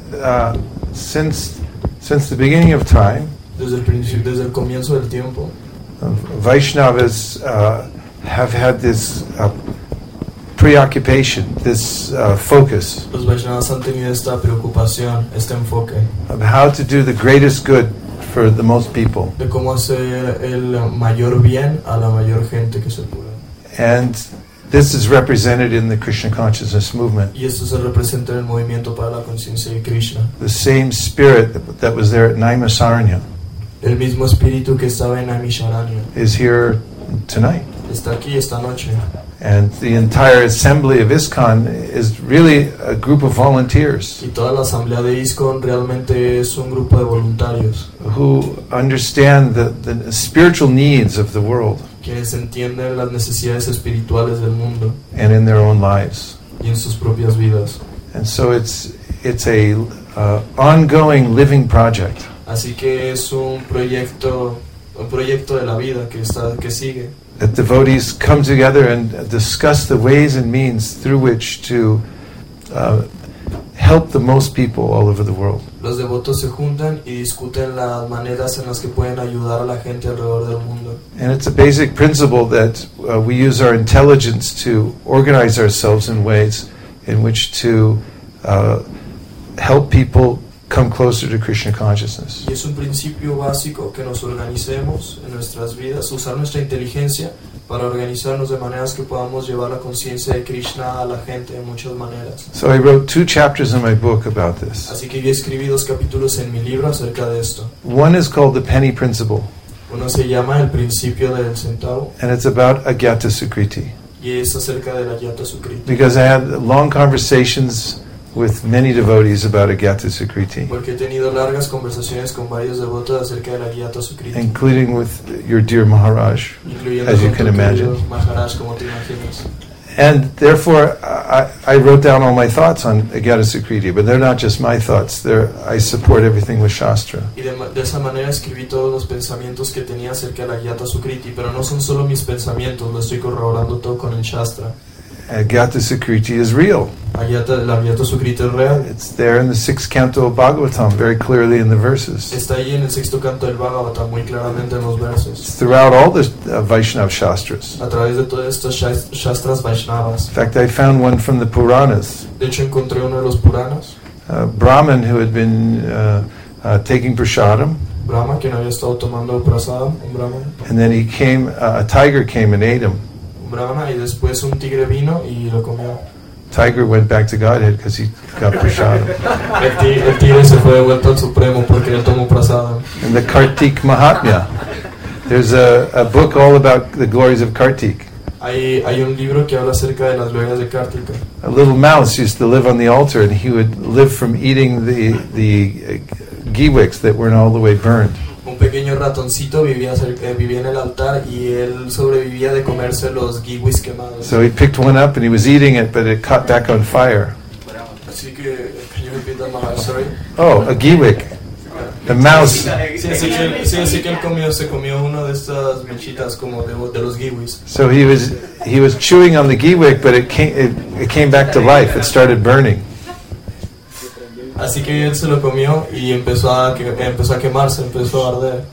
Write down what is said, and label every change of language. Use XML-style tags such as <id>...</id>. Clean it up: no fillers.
<en>Yeah. Since the beginning of time.</en> <es>Desde el comienzo del tiempo.</es> <en>Vaishnavas have had this. Preoccupation, this focus.</en> <es>Los Vaishnavas han tenido esta preocupación, este enfoque.</es> <en>Of how to do the greatest good for the most people.</en> <es>De cómo hacer el mayor bien a la mayor gente que se pueda.</es> <en>And this is represented in the Krishna consciousness movement.</en> <es>Y esto se representa en el movimiento para la conciencia de Krishna.</es> <en>The same spirit that was there at Naimisharanya.</en> <es>El mismo espíritu que estaba en Naimisharanya.</es> <en>Is here tonight.</en> <es>Está aquí esta noche.</es> <en>And the entire assembly of ISKCON is really a group of volunteers.</en> <es>Y toda la asamblea de ISKCON realmente es un grupo de voluntarios.</es> <en>Who understand the spiritual needs of the world.</en> <es>Quienes entienden las necesidades espirituales del mundo.</es> <en>And in their own lives.</en> <es>Y en sus propias vidas.</es> <en>And so it's a ongoing living project.</en> <es>Así que es un proyecto de la vida que sigue.</es> <en>That devotees come together and discuss the ways and means through which to help the most people all over the world.</en> <es>Los devotos se juntan y discuten las maneras en las que pueden ayudar a la gente alrededor del mundo.</es> <en>And it's a basic principle that we use our intelligence to organize ourselves in ways in which to help people come closer to Krishna consciousness.</en> <es>Y es un principio básico que nos organicemos en nuestras vidas, usar nuestra inteligencia para organizarnos de maneras que podamos llevar la conciencia de Krishna a la gente en muchas maneras.</es> <en>So I wrote two chapters in my book about this.</en> <es>Así que yo escribí dos capítulos en mi libro acerca de esto.</es> <en>One is called the penny principle.</en> <es>Uno se llama el principio del centavo.</es> <en>And it's about Agyata Sukriti.</en> <es>Y es acerca de la Agyata Sukriti.</es> <en>Because I had long conversations with many devotees about Agyata Sukriti.</en> <es>Porque he tenido largas conversaciones con varios devotos acerca de la Agyata Sukriti.</es> <en>Including with your dear Maharaj, as you can imagine.</en> <es>Maharaj, como te imaginas.</es> <en>And therefore, I wrote down all my thoughts on Agyata Sukriti, but they're not just my thoughts. I support everything with Shastra.</en> <es>Y de esa manera escribí todos los pensamientos que tenía acerca de la Agyata Sukriti, pero no son solo mis pensamientos. Lo estoy corroborando todo con el Shastra.</es> <en>Agyata Sukriti is real.</en> <es>Agyata Sukriti es real.</es> <en>It's there in the sixth canto of Bhagavatam, very clearly in the verses.</en> <es>Está ahí en el sexto canto del Bhagavatam, muy claramente en los versos.</es> <en>It's throughout all the Vaishnav Shastras.</en> <es>A través de todos estos Shastras Vaishnavas.</es> <en>In fact, I found one from the Puranas.</en> <es>De hecho, encontré uno de los Puranas.</es> <en>Brahman, who had been taking prasadam.</en> <es>Brahma, quien había estado tomando prasadam, un Brahman.</es> <en>And then he came, a tiger came and ate him.</en> <es>Brahma, y después un tigre vino y lo comió.</es> <en>Tiger went back to Godhead because he got prasadam.</en> <es>El tigre se fue de vuelta al Supremo porque él tomó prasadam.</es> <en>And the Kartik Mahatmya. There's a book all about the glories of Kartik.</en> <es>Hay un libro que habla acerca de las glorias de Kartik.</es> <en>A little mouse used to live on the altar and he would live from eating the giwiks that weren't all the way burned.</en> <es>Un pequeño ratoncito vivía en el altar y él sobrevivía de comerse los giwis quemados.</es> <en>So he picked one up and he was eating it, but it caught back on fire.</en> <es>Así que,</es> <en>can you repeat that, Mahal? Sorry. Oh, a giwik. The mouse.</en> <es>Sí, así que él se comió una de estas mechitas como de los giwis.</es> <en>So he was chewing on the giwik, but it came back to life. It started burning.</en> <es>Así que él se lo comió y empezó a quemarse, empezó a arder.</es>